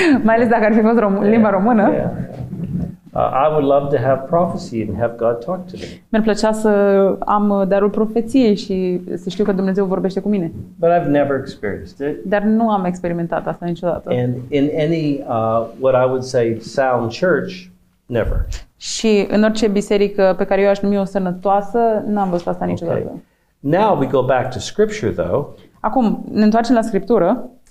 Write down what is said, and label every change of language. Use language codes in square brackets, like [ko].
[ro] Mai ales dacă ar fi fost limba română. [en] I would love to have prophecy and have God talk to me. [ro] Mi-ar plăcea să am darul profeției și să știu că Dumnezeu vorbește cu mine. [en] But I've never experienced it. [ro] Dar nu am experimentat asta niciodată. [en] And in any what I would say sound church, never. [ro] Și în orice biserică pe care eu aș numi o sănătoasă, n-am văzut asta niciodată. [en] Okay. Now we go back to scripture though. [ro] Acum ne întoarcem la scriptură.